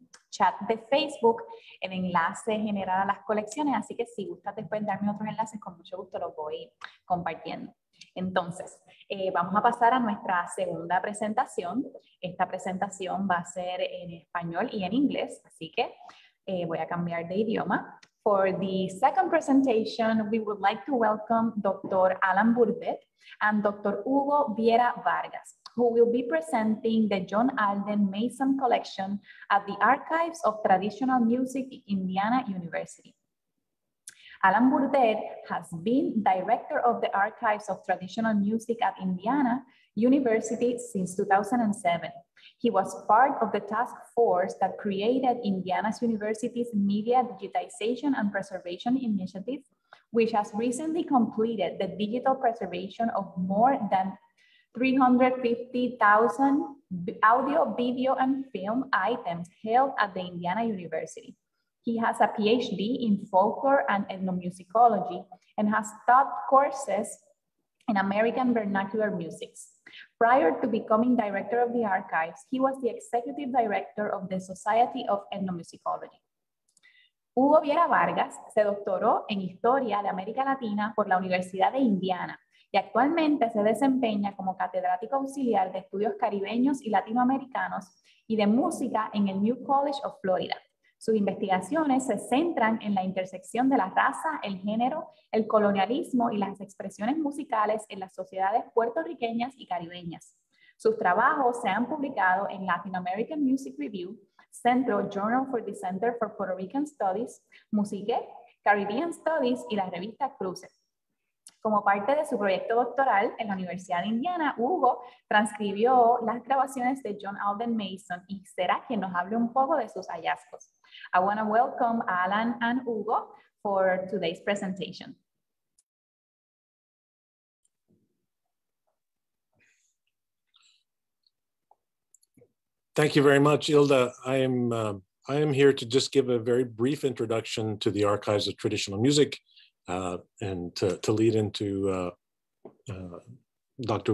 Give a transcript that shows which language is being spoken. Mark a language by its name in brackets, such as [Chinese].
[Spanish] chat de Facebook el enlace general a las colecciones, así que si gustas después darme otros enlaces, con mucho gusto los voy compartiendo. Entonces, vamos a pasar a nuestra segunda presentación. Esta presentación va a ser en español y en inglés, así que voy a cambiar de idioma. [English] For the second presentation, we would like to welcome Dr. Alan Burdett and Dr. Hugo Viera Vargas, who will be presenting the John Alden Mason Collection at the Archives of Traditional Music, Indiana University. Alan Burdett has been director of the Archives of Traditional Music at Indiana University since 2007. He was part of the task force that created Indiana's University's Media Digitization and Preservation Initiative, which has recently completed the digital preservation of more than 350,000 audio, video, and film items held at the Indiana University. He has a PhD in folklore and ethnomusicology and has taught courses in American vernacular music. Prior to becoming director of the archives, he was the executive director of the Society of Ethnomusicology. [Spanish] Hugo Viera Vargas se doctoró en Historia de América Latina por la Universidad de Indiana y actualmente se desempeña como catedrático auxiliar de estudios caribeños y latinoamericanos y de música en el New College of Florida. Sus investigaciones se centran en la intersección de la raza, el género, el colonialismo y las expresiones musicales en las sociedades puertorriqueñas y caribeñas. Sus trabajos se han publicado en Latin American Music Review, Centro Journal for the Center for Puerto Rican Studies, Musique, Caribbean Studies y la revista Cruces. Como parte de su proyecto doctoral en la Universidad de Indiana, Hugo transcribió las grabaciones de John Alden Mason y será quien nos hable un poco de sus hallazgos. [English] I want to welcome Alan and Hugo for today's presentation. Thank you very much, Hilda. I am here to just give a very brief introduction to the Archives of Traditional Music and to lead into Dr.